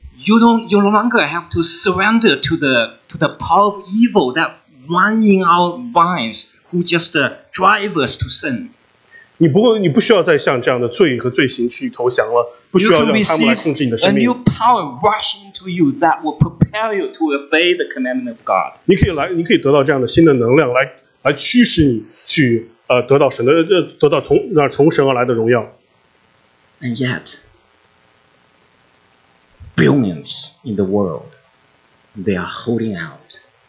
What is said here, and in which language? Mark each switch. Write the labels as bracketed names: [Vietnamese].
[English] You no longer have to surrender to the power of evil that. Running our minds, who just drive us to sin. [Chinese] 你不需要再向这样的罪和罪行去投降了，不需要让他们来控制你的生命。 [English] You can receive a new power rushing to you that will propel you to obey the commandment of God. [Chinese] 你可以得到这样的新的能量来驱使你去得到神的得到从神而来的荣耀。 [English] And yet, billions in the world, they are holding out.